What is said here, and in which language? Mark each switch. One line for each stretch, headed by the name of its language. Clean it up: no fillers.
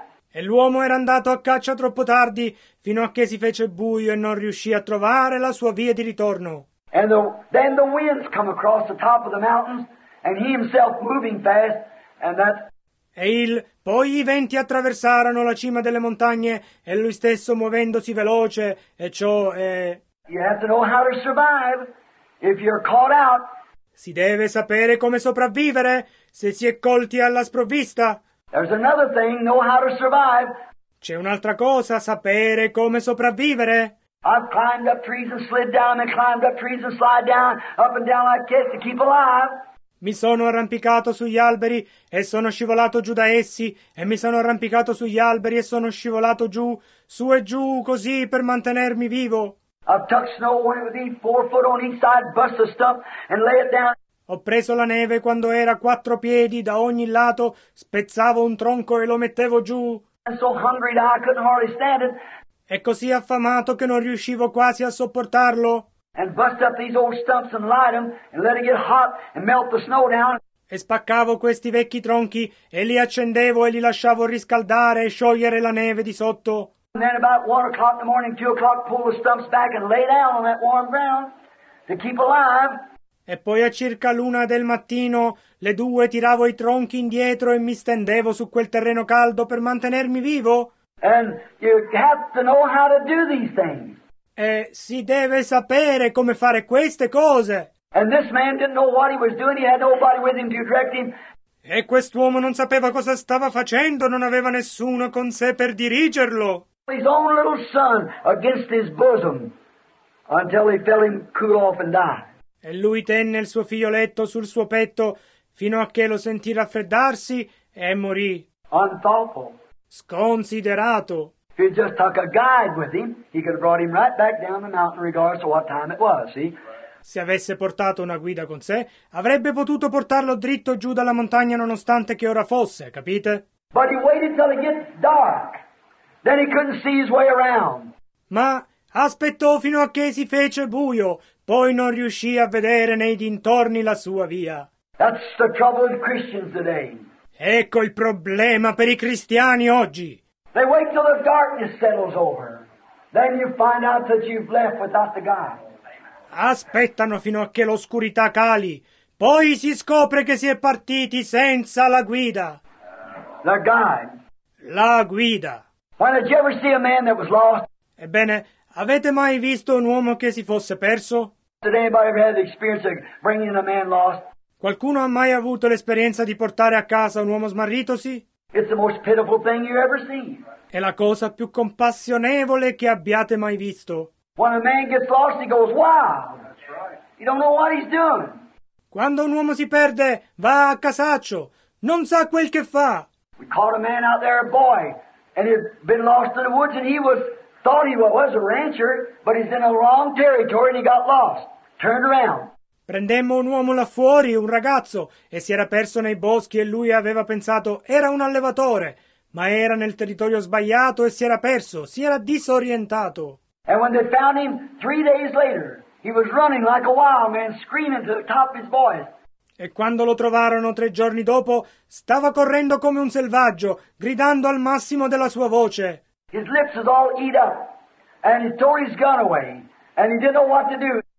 Italian: E l'uomo era andato a caccia troppo tardi, fino a che si fece buio e non riuscì a trovare la sua via di ritorno.
English: And then the winds come across the top of the mountains, and he himself moving fast, and that.
Italian: Poi i venti attraversarono la cima delle montagne e lui stesso muovendosi veloce, e ciò è.
English: You have to know how to survive if you're caught out.
Italian: Si deve sapere come sopravvivere se si è colti alla sprovvista.
English: There's another thing, know how to survive.
Italian: C'è un'altra cosa, sapere come sopravvivere.
English: I've climbed up trees and slid down, and climbed up trees and slid down, up and down like this to keep alive.
Italian: Mi sono arrampicato sugli alberi e sono scivolato giù da essi, e mi sono arrampicato sugli alberi e sono scivolato giù, su e giù, così per mantenermi vivo.
English: I've tucked snow when it would be 4 foot on each side, bust the stump and lay it down.
Italian: Ho preso la neve quando era 4 piedi da ogni lato, spezzavo un tronco e lo mettevo giù.
English: I'm so hungry that I couldn't hardly stand it.
Italian: E così affamato che non riuscivo quasi a sopportarlo.
English: And bust up these old stumps and light them and let it get hot and melt the snow down.
Italian: E spaccavo questi vecchi tronchi e li accendevo e li lasciavo riscaldare e sciogliere la neve di sotto.
English: And then about 1 o'clock in the morning, 2 o'clock, pull the stumps back and lay down on that warm ground to keep alive.
Italian: E poi a circa 1 del mattino, 2, tiravo i tronchi indietro e mi stendevo su quel terreno caldo per mantenermi vivo.
English: And you have to know how to do these things.
Italian: E si deve sapere come fare queste cose.
English: And this man didn't know what he was doing. He had nobody with him to direct him.
Italian: E quest'uomo non sapeva cosa stava facendo, non aveva nessuno con sé per dirigerlo.
English: His own little son against his bosom until he felt him cool off and die.
Italian: E lui tenne il suo figlioletto sul suo petto fino a che lo sentì raffreddarsi e morì.
English: Unthoughtful.
Italian: Sconsiderato.
English: If he just took a guide with him, he could have brought him right back down the mountain regardless of what time it was, see?
Italian: Se avesse portato una guida con sé, avrebbe potuto portarlo dritto giù dalla montagna nonostante che ora fosse, capite?
English: But he waited till it gets dark, then he couldn't see his way around.
Italian: Ma aspettò fino a che si fece buio, poi non riuscì a vedere nei dintorni la sua via.
English: That's the trouble with Christians today.
Italian: Ecco il problema per i cristiani oggi.
English: They wait till the darkness settles over. Then you find out that you've left without the guide.
Italian: Aspettano fino a che l'oscurità cali. Poi si scopre che si è partiti senza la guida.
English: The guide.
Italian: La guida.
English: Why did you ever see a man that was lost?
Italian: Ebbene, avete mai visto un uomo che si fosse perso?
English: Did anybody ever have the experience of bringing a man lost?
Italian: Qualcuno ha mai avuto l'esperienza di portare a casa un uomo smarritosi?
English: It's the most pitiful thing you ever seen.
Italian: È la cosa più compassionevole che abbiate mai visto.
English: When a man gets lost, he goes wild. That's right. He don't know what he's doing.
Italian: Quando un uomo si perde, va a casaccio. Non sa quel che fa.
English: We caught a man out there, a boy, and he'd been lost in the woods, and he was thought he was a rancher, but he's in the wrong territory, and he got lost. Turned around.
Italian: Prendemmo un uomo là fuori, un ragazzo, e si era perso nei boschi e lui aveva pensato era un allevatore, ma era nel territorio sbagliato e si era perso, si era disorientato.
English: And when they found him, 3 days later, he was running like a wild man, screaming to the top of his voice.
Italian: E quando lo trovarono 3 giorni dopo, stava correndo come un selvaggio, gridando al massimo della sua voce.
English: His lips was all eat up, and he threw his gun away, and he didn't know what to do.